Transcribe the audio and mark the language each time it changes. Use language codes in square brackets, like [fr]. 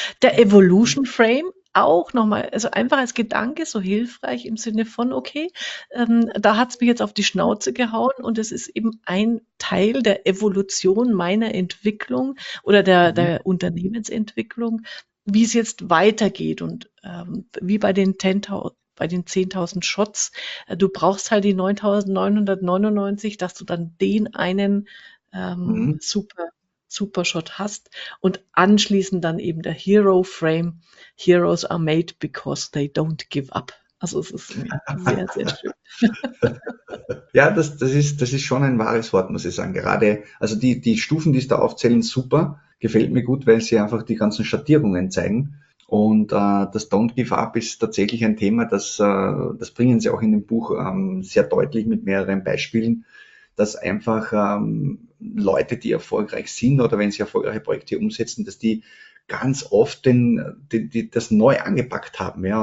[de] Der Evolution Frame auch nochmal, also einfach als Gedanke so hilfreich im Sinne von, okay, da hat es mich jetzt auf die Schnauze gehauen und es ist eben ein Teil der Evolution meiner Entwicklung oder der Unternehmensentwicklung, wie es jetzt weitergeht und wie bei den 10.000. Bei den 10.000 Shots, du brauchst halt die 9.999, dass du dann den einen super, super Shot hast und anschließend dann eben der Hero Frame. [en] Heroes are made because they don't give up. [de] Also es ist sehr, sehr schön. Ja, das ist schon ein wahres Wort, muss ich sagen. Gerade, also die Stufen, die es da aufzählen, super. Gefällt mir gut, weil sie einfach die ganzen Schattierungen zeigen. Und das Don't Give Up ist tatsächlich ein Thema, das bringen sie auch in dem Buch sehr deutlich mit mehreren Beispielen, dass einfach Leute, die erfolgreich sind oder wenn sie erfolgreiche Projekte umsetzen, dass die ganz oft das neu angepackt haben. Ja?